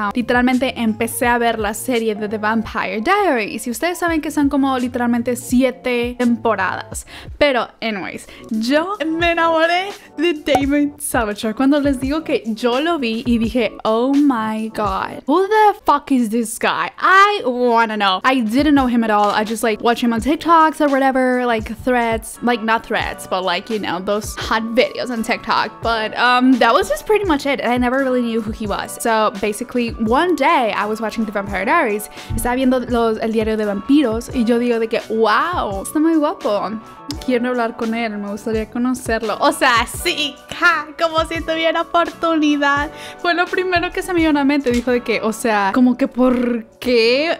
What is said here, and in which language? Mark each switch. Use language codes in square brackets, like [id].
[es] literalmente empecé a ver la serie de The Vampire Diaries. Y ustedes saben que son como literalmente 7 temporadas. Pero, anyways, yo me enamoré de Damon Slavatore. Cuando les digo que yo lo vi y dije, [en] oh my god. Who the fuck is this guy? I wanna know. I didn't know him at all. I just like watch him on TikToks or whatever, like threads, like not threads, but like, you know, those hot videos on TikTok. But that was just pretty much it. And I never really knew who he was. So basically one day I was watching The Vampire Diaries. [es] Estaba viendo el diario de vampiros y yo digo de que, wow, está muy guapo. Quiero hablar con él, me gustaría conocerlo. O sea, sí, como si tuviera oportunidad. Fue lo primero que se me vino a la mente. Dijo de que, o sea, como que ¿por qué?